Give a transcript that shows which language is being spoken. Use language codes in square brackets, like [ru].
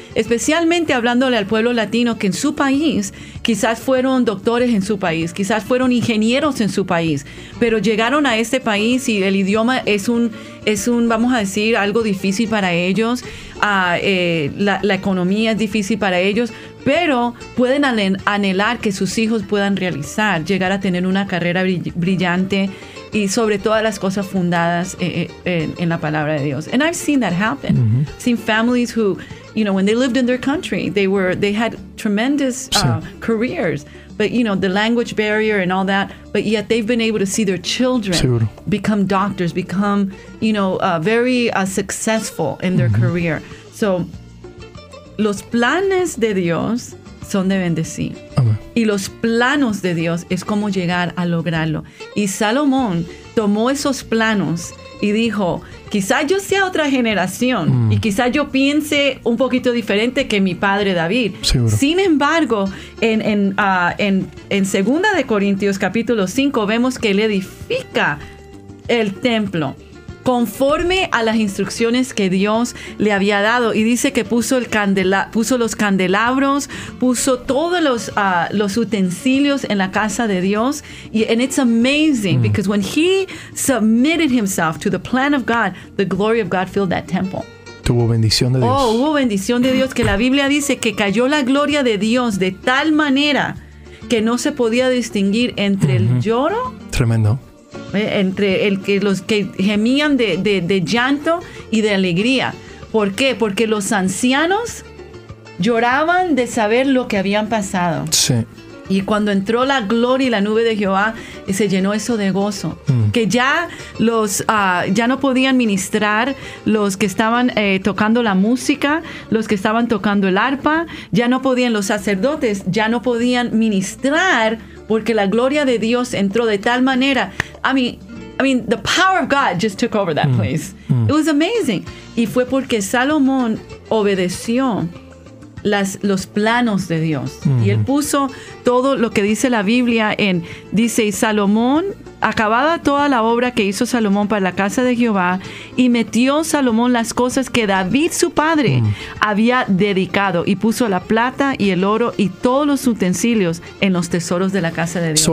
[es] Especialmente hablándole al pueblo latino que en su país quizás fueron doctores en su país, quizás fueron ingenieros en su país, pero llegaron a este país y el idioma es un vamos a decir, algo difícil para ellos, la economía es difícil para ellos, pero pueden anhelar que sus hijos puedan realizar, llegar a tener una carrera brillante y sobre todas las cosas fundadas en la palabra de Dios. [en] And I've seen that happen. Mm-hmm. Seen families who, you know, when they lived in their country, they had tremendous careers, but you know, the language barrier and all that, but yet they've been able to see their children become doctors, become, you know, very successful in their mm-hmm. career. [es] So los planes de Dios son de bendecir. Y los planos de Dios es cómo llegar a lograrlo. Y Salomón tomó esos planos y dijo, quizás yo sea otra generación y quizás yo piense un poquito diferente que mi padre David. Seguro. Sin embargo, en Segunda de Corintios capítulo 5 vemos que él edifica el templo conforme a las instrucciones que Dios le había dado. Y dice que puso los candelabros, puso todos los utensilios en la casa de Dios. [en] And it's amazing because when he submitted himself to the plan of God, the glory of God filled that temple. [es] Tuvo bendición de Dios. Oh, hubo bendición de Dios, que la Biblia dice que cayó la gloria de Dios de tal manera que no se podía distinguir entre el lloro. Tremendo. Entre los que gemían de llanto y de alegría. ¿Por qué? Porque los ancianos lloraban de saber lo que habían pasado. Sí. Y cuando entró la gloria y la nube de Jehová, se llenó eso de gozo. Que ya ya no podían ministrar los que estaban tocando la música, los que estaban tocando el arpa, ya no podían los sacerdotes, ya no podían ministrar porque la gloria de Dios entró de tal manera. [en] I mean, the power of God just took over that place. It was amazing. [es] Y fue porque Salomón obedeció los planos de Dios. Y él puso todo lo que dice la Biblia y Salomón, acabada toda la obra que hizo Salomón para la casa de Jehová, y metió Salomón las cosas que David su padre había dedicado, y puso la plata y el oro y todos los utensilios en los tesoros de la casa de Dios.